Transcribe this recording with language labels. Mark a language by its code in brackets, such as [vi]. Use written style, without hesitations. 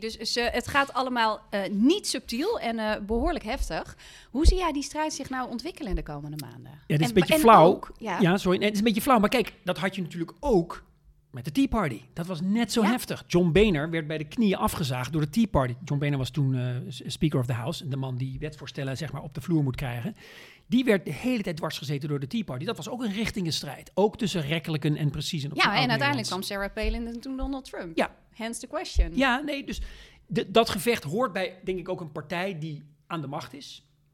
[nl] Dus het gaat allemaal niet subtiel en behoorlijk heftig. Hoe zie jij die strijd zich nou ontwikkelen de komende maanden? Ja, dit is een beetje flauw. Ook, ja. Ja, sorry, het is een beetje flauw. Maar kijk, dat had je natuurlijk ook met de Tea Party. Dat was net zo heftig. John Boehner werd bij de knieën afgezaagd door de Tea Party. John Boehner was toen Speaker of the House. De man die wetvoorstellen zeg maar, op de vloer moet krijgen. Die werd de hele tijd dwars gezeten door de Tea Party. Dat was ook een richtingenstrijd. Ook tussen rekkelijken en preciezen. Ja, en uiteindelijk kwam Sarah Palin en toen Donald Trump. Ja. [en] Hence the question. [nl] Ja, nee, dus dat gevecht hoort bij, denk ik, ook een partij die aan de macht is.